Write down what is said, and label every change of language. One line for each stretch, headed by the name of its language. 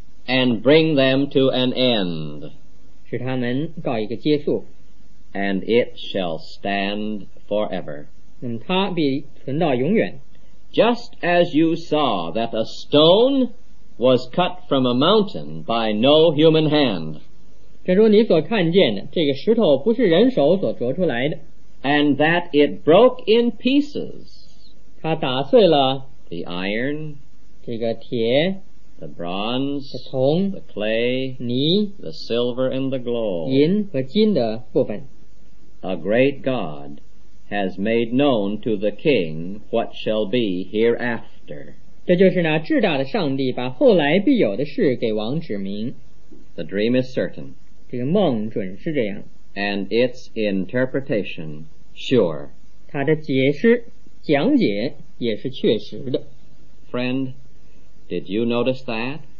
English: And bring them to an end，
Chinese: 使他们告一个结束。
English: And it shall stand forever，
Chinese: 那么它必存到永远。
English: Just as you saw that a stone was cut from a mountain by no human hand，
Chinese: 正如你所看见的，这个石头不是人手所凿出来的。
English: And that it broke in pieces，
Chinese: 它打碎了
English: the iron，
Chinese: 这个铁
English: the bronze，
Chinese: 铜
English: the clay，
Chinese: 泥
English: the silver and the gold，
Chinese: 银和金的部分。
English: A great God has made known to the king what shall be hereafter，
Chinese: 这就是那至大的上帝把后来必有的事给王指明。
English: The dream is certain，
Chinese: 这个梦准是这样。
English: And its interpretation sure，
Chinese: 它的解释讲解也是确实的。
English: Friend， did you notice that？